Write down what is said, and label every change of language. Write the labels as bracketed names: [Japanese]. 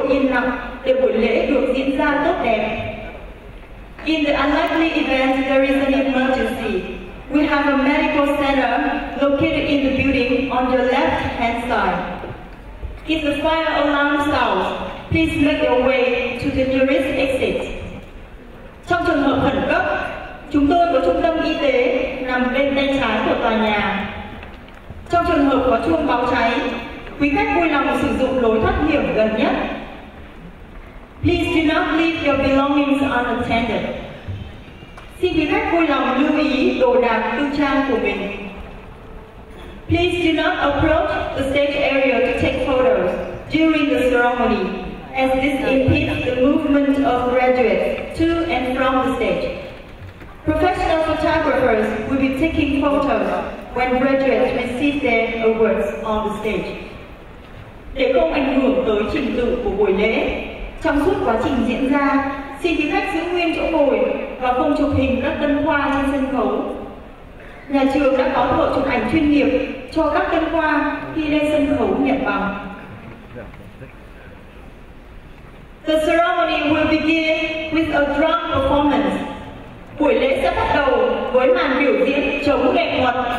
[Vietnamese] nhau để buổi lễ được diễn ra tốt đẹp. [English] In the unlikely event there is an emergency, we have a medical center located in the building on your left hand side. If the fire alarm sounds, please make your way to the nearest exit. [Vietnamese] Trong trường hợp khẩn cấp, chúng tôi có trung tâm y tế nằm bên tay trái của tòa nhà. Trong trường hợp có chuông báo cháy, quý khách vui lòng sử dụng lối thoát hiểm gần nhất. [English] Please do not leave your belongings unattended. [Vietnamese] Xin quý khách vui lòng lưu ý đồ đạc tư trang của mình. [English] Please do not approach the stage area to take photos during the ceremony, as this impedes the movement of graduates to and from the stage. Professional photographers will be taking photos when graduates receive their awards on the stage. [Vietnamese] Để không ảnh hưởng tới trình tự của buổi lễ, trong suốt quá trình diễn ra, xin quý khách giữ nguyên chỗ ngồi và không chụp hình các tân khoa trên sân khấu. Nhà trường đã có thợ chụp ảnh chuyên nghiệp cho các tân khoa khi lên sân khấu nhận bằng. [English] The ceremony will begin with a drum performance. [Vietnamese] Buổi lễ sẽ bắt đầu với màn biểu diễn chống nghệ thuật.